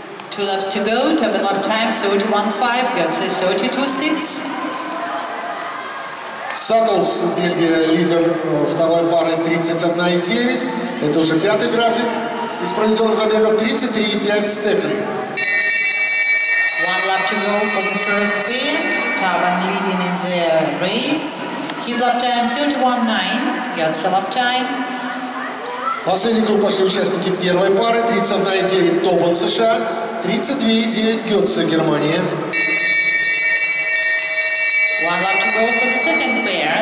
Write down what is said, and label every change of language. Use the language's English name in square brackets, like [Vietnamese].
[English] Two laps to go. Тобан lap time 31.5. Гёцсе 32.6. [Russian] Саттлс Бельгия лидер второй пары 31.9. Это уже пятый график из проведенных забегов 33.5 Стекли. [English] One lap to go for the first pair. Тобан leading in the race. His lap time 31.9. Гёцсе lap time. [Russian] Последний круг пошли участники первой пары 31.9 Тобан США, 32.9 Гёцсе Германия. [English] One lap to go for the second pair.